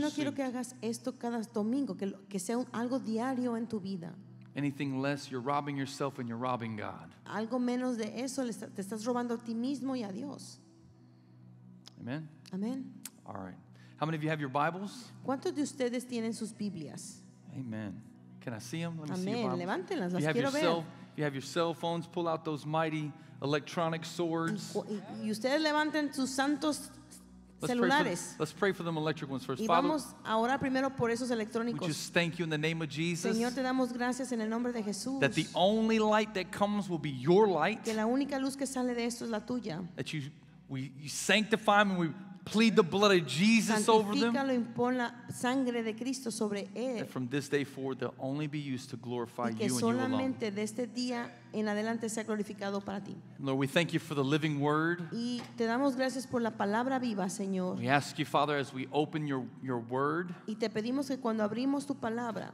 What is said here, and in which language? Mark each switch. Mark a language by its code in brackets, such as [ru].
[es] yo no quiero que hagas esto cada domingo, que sea algo diario en tu vida. [en] Anything less, you're robbing yourself and you're robbing God. [es] Algo menos de eso, te estás robando a ti mismo y a Dios. Amen. Amen. [en] All right. How many of you have your Bibles? [es] ¿Cuántos de ustedes tienen sus Biblias? [en] Amen. Can I see them? Let me See your Bibles. [es] Levántenlas, las [en] you [es] quiero [en] have yourself, [es] ver. [en] You have your cell phones, pull out those mighty electronic swords. [es] Y ustedes levanten sus santos celulares. [en] Let's pray for them electric ones first. [es] Y vamos a orar primero por esos electrónicos. [en] We just thank you in the name of Jesus. [es] Señor, te damos gracias en el nombre de Jesús. [en] That the only light that comes will be your light. [es] Que la única luz que sale de esto es la tuya. [en] That you sanctify them and we plead the blood of Jesus over them. [es] Santifícalo y pon la sangre de Cristo sobre él. [en] That from this day forward they'll only be used to glorify you and you alone. [es] Y que solamente de este día en adelante sea glorificado para ti. [en] Lord, we thank you for the living word. [es] Y te damos gracias por la palabra viva, Señor. [en] We ask you, Father, as we open your word. [es] Y te pedimos que cuando abrimos tu palabra.